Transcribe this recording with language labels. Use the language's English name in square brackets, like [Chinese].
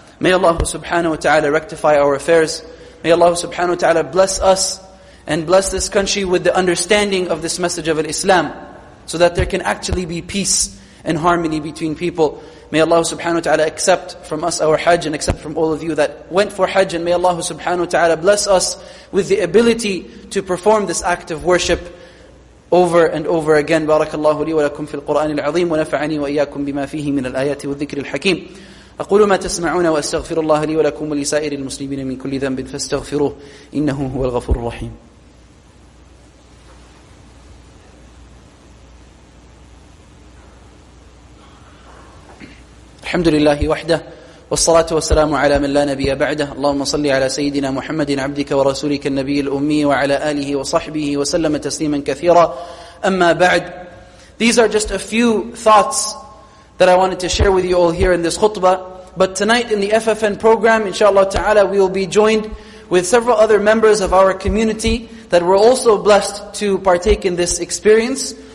[English] May Allah subhanahu wa ta'ala rectify our affairs. May Allah subhanahu wa ta'ala bless us and bless this country with the understanding of this message of Islam, so that there can actually be peace and harmony between people. May Allah subhanahu wa ta'ala accept from us our Hajj and accept from all of you that went for Hajj, and may Allah subhanahu wa ta'ala bless us with the ability to perform this act of worship over and over again. [Arabic] Barakallahu li wa lakum fil Qur'an al-azim wa nafa'ani wa iyyakum bima fihi min al-ayat wa dhikri al-hakim. أقول ما تسمعون وأستغفر الله لي ولكم ولسائر المسلمين من كل ذنب فاستغفروه إنه هو الغفور الرحيم. الحمد لله وحده والصلاة والسلام على من لا نبي بعده. اللهم صل على سيدنا محمد عبدك ورسولك النبي الأمي وعلى آله وصحبه وسلم تسليما كثيرا. أما بعد, [English] these are just a few thoughts that I wanted to share with you all here in this khutbah. But tonight in the FFN program, inshallah ta'ala, we will be joined with several other members of our community that were also blessed to partake in this experience.